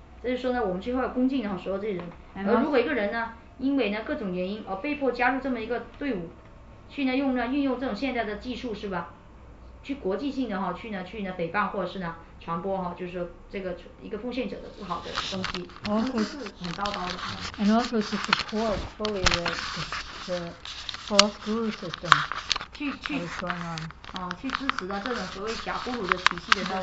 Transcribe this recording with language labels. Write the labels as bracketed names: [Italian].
[Chinese] 这就是说呢，我们最后要恭敬的所有这些人。而如果一个人呢，因为呢各种原因而被迫加入这么一个队伍，去呢用呢运用这种现代的技术是吧，去国际性的哈去呢诽谤或者是呢传播哈，就是说这个一个奉献者的不好的东西，都是很糟糕的。 [English] And also to support fully the false guru system. [Chinese] 去 [English] what is going on. [Chinese] 去支持的这种所谓假布鲁的体系的。